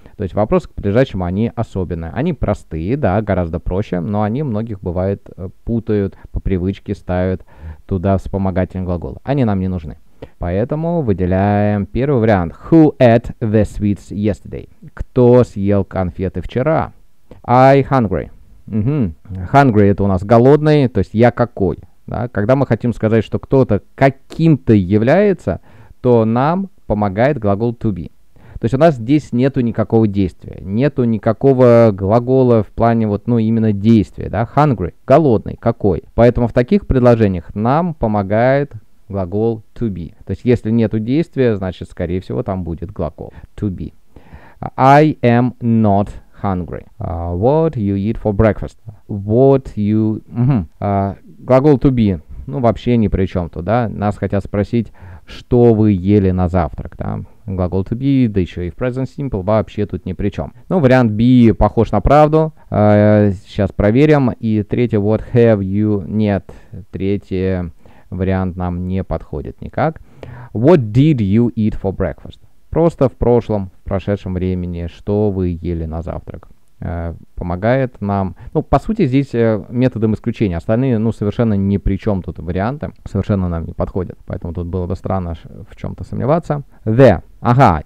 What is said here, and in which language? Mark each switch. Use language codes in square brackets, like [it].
[ru] То есть вопросы к подлежащему, они особенные. Они простые, да, гораздо проще, но они многих, бывает, путают, по привычке ставят туда вспомогательный глагол. Они нам не нужны. Поэтому выделяем первый вариант. [en] Who ate the sweets yesterday? [ru] Кто съел конфеты вчера? [en] I hungry. [ru] Hungry – это у нас голодный, то есть я какой? Да, когда мы хотим сказать, что кто-то каким-то является, то нам помогает глагол to be. То есть у нас здесь нету никакого действия, нету никакого глагола в плане вот, ну, именно действия. Да? Hungry – голодный, какой? Поэтому в таких предложениях нам помогает глагол to be. То есть если нету действия, значит, скорее всего, там будет глагол to be. [en] I am not hungry. What you eat for breakfast? What you... [ru] Глагол to be, ну, вообще ни при чем то, да? Нас хотят спросить, что вы ели на завтрак, да? Глагол to be, да еще и в present simple, вообще тут ни при чем. Ну, вариант be похож на правду. Сейчас проверим. И третий, [en] what have you... [ru] Нет, третий вариант нам не подходит никак. [en] What did you eat for breakfast? [ru] Просто в прошлом, в прошедшем времени, что вы ели на завтрак. Помогает нам. Ну, по сути, здесь методом исключения. Остальные, ну, совершенно ни при чем тут варианты. Совершенно нам не подходят. Поэтому тут было бы странно в чем-то сомневаться. The. Ага.